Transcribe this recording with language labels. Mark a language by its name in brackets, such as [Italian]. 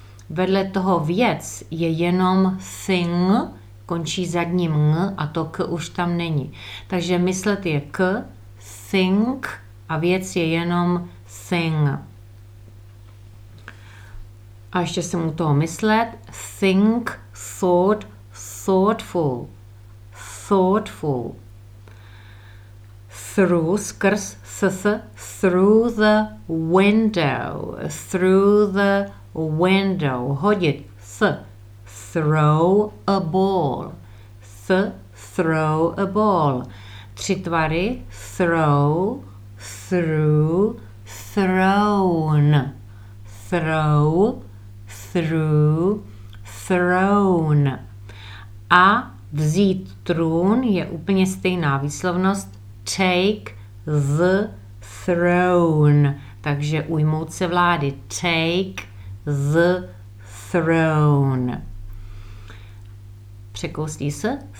[Czech] Vedle toho věc je jenom thing, končí zadním ng a to k už tam není. Takže myslet je k, think a věc je jenom thing. A ještě jsem u toho myslet. [English] Think, thought, thoughtful, thoughtful. Through, [Czech] skrz, [English] through the window, through the window, [Czech] hodit, [English] throw a ball, throw a ball. [Czech] Tři tvary, [English] throw, through, thrown, throw, through, thrown. [Czech] A vzít trůn je úplně stejná výslovnost. [English] Take the throne. [Czech] Takže ujmout se vlády. [English] Take the throne. [Czech] Překouslí se.